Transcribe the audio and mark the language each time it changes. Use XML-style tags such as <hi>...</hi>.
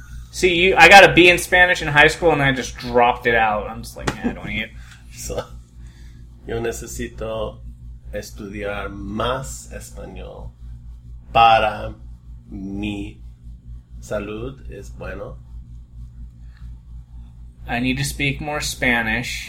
<en>See, I got a B in Spanish in high school, and I just dropped it out. I'm just like, I don't need it.</en> <es>So, yo necesito estudiar más español para mi salud es bueno.</es> <en>I need to speak more Spanish.</en>